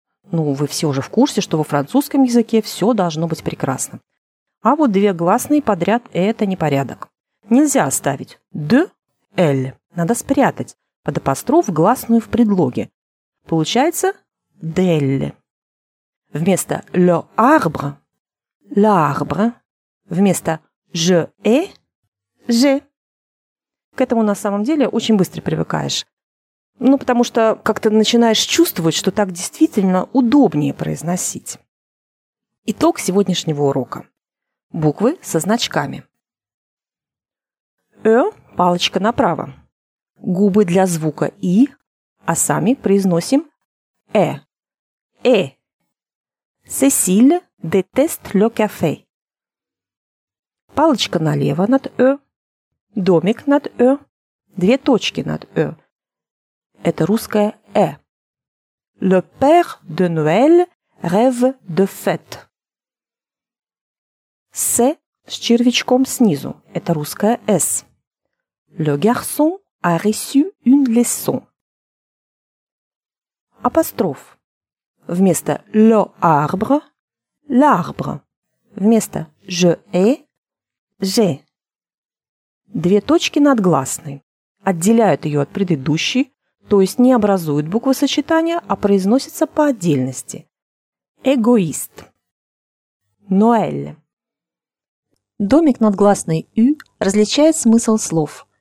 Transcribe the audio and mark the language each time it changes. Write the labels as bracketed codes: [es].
[ru] Ну, вы все уже в курсе, что во французском языке все должно быть прекрасно. А вот две гласные подряд – это непорядок. Нельзя оставить «de», «elle». Надо спрятать под апостроф гласную в предлоге. Получается «d'elle». Вместо «le arbre» – «l'arbre». Вместо «je ai» – «j'ai». К этому на самом деле очень быстро привыкаешь. Ну, потому что как-то начинаешь чувствовать, что так действительно удобнее произносить. Итог сегодняшнего урока. Буквы со значками. «Э» – палочка направо. Губы для звука «и», а сами произносим «э». [fr] «Э». «Cécile déteste le café». [ru] Палочка налево над «э». Домик над «э». Две точки над «э». Это русское «э». [fr] «Le père de Noël rêve de fête». [ru] «С» с червячком снизу. Это русское «с». [fr] «Le garçon a reçu une leçon». [ru] Апостроф. Вместо «le arbre» – «l'arbre». Вместо «je ai» – «j'ai». Две точки над гласной. Отделяют ее от предыдущей, то есть не образуют буквосочетания, а произносятся по отдельности. Эгоист. Ноэль. Домик над гласной «ю» различает смысл слов.